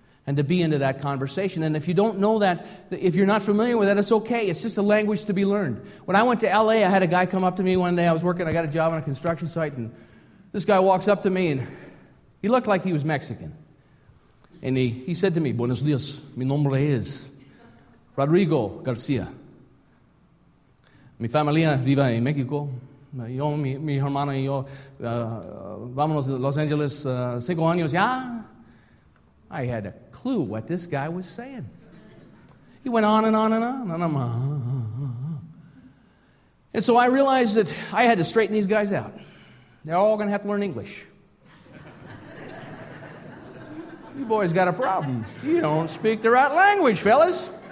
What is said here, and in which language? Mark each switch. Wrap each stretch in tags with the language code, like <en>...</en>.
<en>And to be into that conversation. And if you don't know that, if you're not familiar with that, it's okay. It's just a language to be learned. When I went to L.A., I had a guy come up to me one day. I was working. I got a job on a construction site. And this guy walks up to me, and he looked like he was Mexican. And he said to me,</en> <es>Buenos dias. Mi nombre es Rodrigo Garcia. Mi familia vive en México. Yo, mi hermana y yo, vamos a Los Angeles 5 años ya.</es> <en>I had a clue what this guy was saying. He went on and on and on. And, I'm, And so I realized that I had to straighten these guys out. They're all going to have to learn English. You boys got a problem. You don't speak the right language, fellas.</en>